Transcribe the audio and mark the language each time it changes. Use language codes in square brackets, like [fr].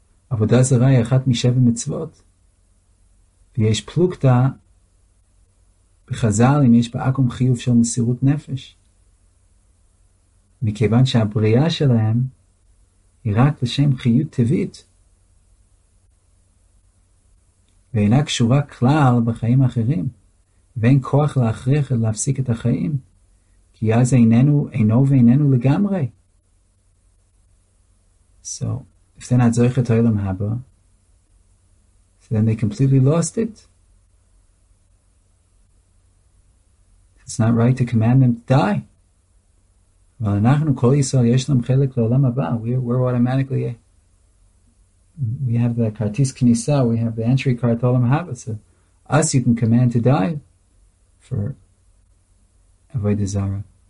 [he] עבודה זרה היא אחת משבע מצוות, ויש פלוקתה בחז"ל אם יש בעקום חיוב של מסירות נפש, מכיוון שהבריאה שלהם היא רק לשם חיות טבעית, ואינה קשורה כלל בחיים האחרים, ואין כוח להכריח להפסיק את החיים, כי אז איננו, אינו ואיננו לגמרי. [en] So, if they're not zoich at olam haba, so then they completely lost it. It's not right to command them to die. [he] אבל אנחנו, כל ישראל, יש להם חלק לעולם הבא. [en] We're automatically, we have the [he] כרטיס כניסה, [en] we have the entry card to olam haba, so us you can command to die for avodah zarah.